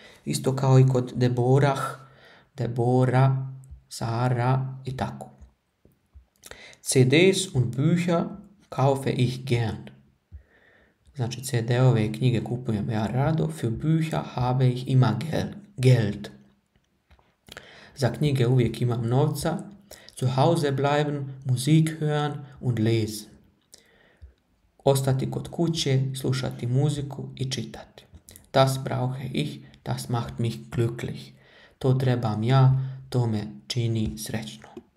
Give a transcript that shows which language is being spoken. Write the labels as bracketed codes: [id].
[hr] Isto kao i kod Deborah, Debora, Sara i tako. [de] CDs und Bücher kaufe ich gern. [hr] Znači, CD-ove i knjige kupujem ja rado. [de] Für Bücher habe ich immer Geld. [hr] Za knjige uvijek imam novca. [de] Zu Hause bleiben, Musik hören und lesen. [hr] Ostati kod kuće, slušati muziku i čitati. [de] Das brauche ich, das macht mich glücklich. [hr] To trebam ja, to me čini srećno.